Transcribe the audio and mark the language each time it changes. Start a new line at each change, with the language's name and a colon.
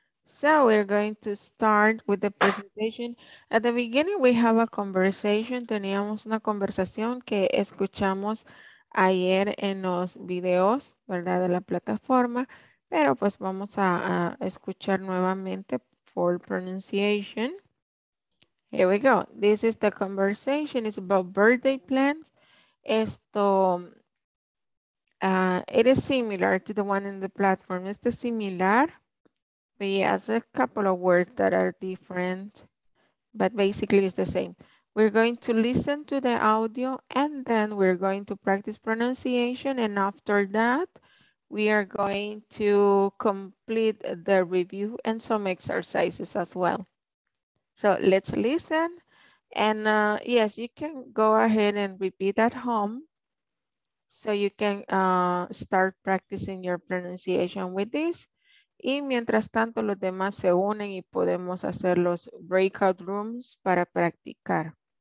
English: So we're going to start with the presentation. At the beginning, we have a conversation.
Spanish: Teníamos una conversación que escuchamos ayer en los videos, ¿verdad? De la plataforma. Pero pues vamos a escuchar nuevamente
English: for pronunciation. Here we go. This is the conversation. It's about birthday plans.
Spanish: Esto,
English: it is similar to the one in the platform. It's the similar. But yes, a couple of words that are different, but basically it's the same. We're going to listen to the audio and then we're going to practice pronunciation. And after that, we are going to complete the review and some exercises as well. So let's listen. And yes, you can go ahead and repeat at home so you can start practicing your pronunciation with this.
Spanish: Y mientras tanto, los demás se unen y podemos hacer los breakout rooms para practicar.